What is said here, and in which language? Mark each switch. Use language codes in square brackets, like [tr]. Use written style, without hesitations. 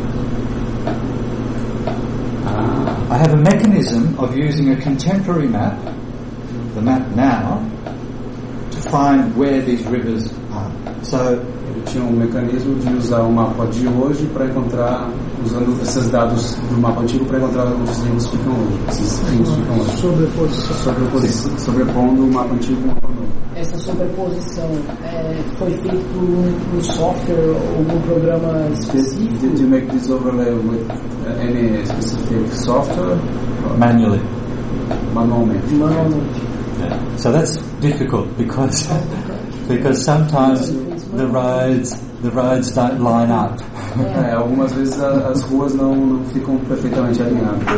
[en] I have a mechanism of using a contemporary map, the map now, to find where these rivers are. So, [pt] ele tinha um mecanismo de usar o mapa de hoje para encontrar, usando esses dados do mapa antigo para encontrar onde os rios ficam hoje. Esses rios ficam hoje. Sobrepondo o mapa antigo com o mapa novo. Essa sobreposição foi feita por um software ou algum programa específico? [en] Did you make this overlay with any specific software? Manually. [pt] Manualmente. [en] So that's difficult because sometimes the roads don't line up. [pt] Algumas vezes as ruas não ficam perfeitamente alinhadas.